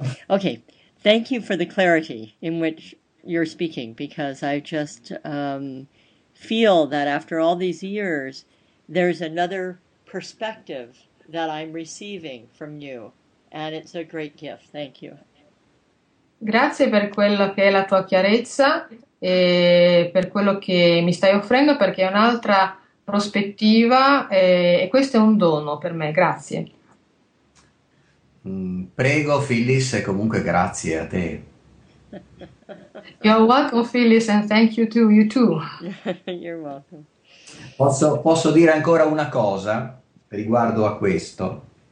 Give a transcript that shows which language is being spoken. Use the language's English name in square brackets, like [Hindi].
[English] Okay, thank you for the clarity in which you're speaking, because I just feel that after all these years, there's another perspective that I'm receiving from you, and it's a great gift. Thank you. [Italian] Grazie per quello che è la tua chiarezza e per quello che mi stai offrendo, perché è un'altra prospettiva e questo è un dono per me. Grazie. Prego, Phyllis, e comunque grazie a te. [English] You're welcome, Phyllis, and thank you to you too. You're welcome. [Italian] Posso dire ancora una cosa riguardo a questo?